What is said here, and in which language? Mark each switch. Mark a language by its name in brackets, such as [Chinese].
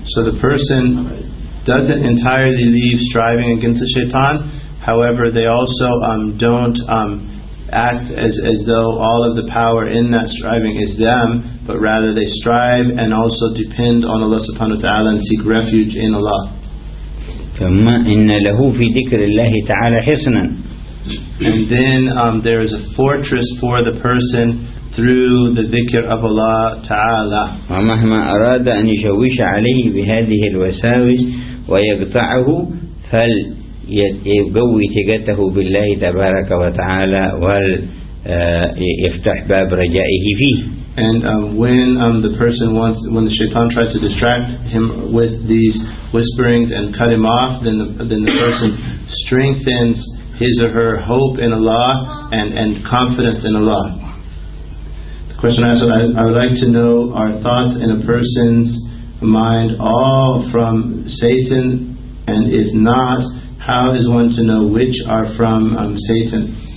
[English] So the person doesn't entirely leave striving against the shaitan. However, they also don't act as though all of the power in that striving is them, but rather they strive and also depend on Allah subhanahu wa ta'ala and seek refuge in Allah. [Arabic] ثم إن له في ذكر الله تعالى حصنا. [English] And then there is a fortress for the person through the dhikr of Allah ta'ala. [Arabic] ومهما أراد أن يشوش عليه بهذه الوساوس ويقطعه فليقوي ثقته بالله تبارك وتعالى ويفتح باب رجائه فيه. [English] And when the shaitan tries to distract him with these whisperings and cut him off, then the person strengthens his or her hope in Allah and confidence in Allah. The question I asked, I would like to know our thoughts in a person's mind all from Satan, and if not, how is one to know which are from Satan?